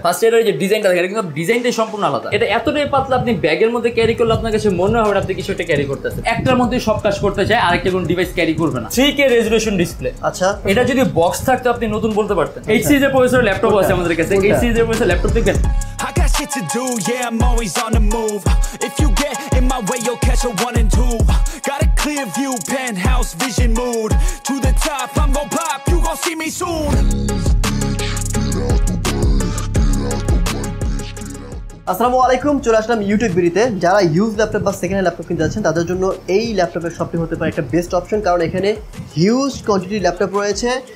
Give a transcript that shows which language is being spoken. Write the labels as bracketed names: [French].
[Bangla] First এর যে ডিজাইনটা দেখেন, কিন্তু ডিজাইনটাই সম্পূর্ণ আলাদা। এতটাই পাতলা আপনি ব্যাগের মধ্যে ক্যারি করলে আপনার কাছে মনে হবে আপনি কিছু একটা ক্যারি করতেছেন। একটার মধ্যে সব কাজ করতে চায়, আর একটা কোন ডিভাইস ক্যারি করবে না। 3K resolution display. আচ্ছা, এটা যদি বক্স থাকতো আপনি নতুন বলতে পারতেন। এইচ সিজে প্রসেসর ল্যাপটপ আছে আমাদের কাছে, এইচ সিজে প্রসেসর ল্যাপটপ দেখবেন। [English] To do, yeah, I'm always on the move. If you get in my way, you'll catch a one and two. Got a clear view, penthouse vision mood. To the top, I'm gon' pop, you gon' see me soon. [Bangla] আসসালামু আলাইকুম, চলে আসলাম YouTube বিডিতে। যারা use laptop বা second laptop কিনতে যাচ্ছেন তাদের জন্য এই ল্যাপটপের শপটি হতে পারে একটা বেস্ট অপশন, কারণ এখানে হিউজ কোয়ান্টিটি ল্যাপটপ রয়েছে।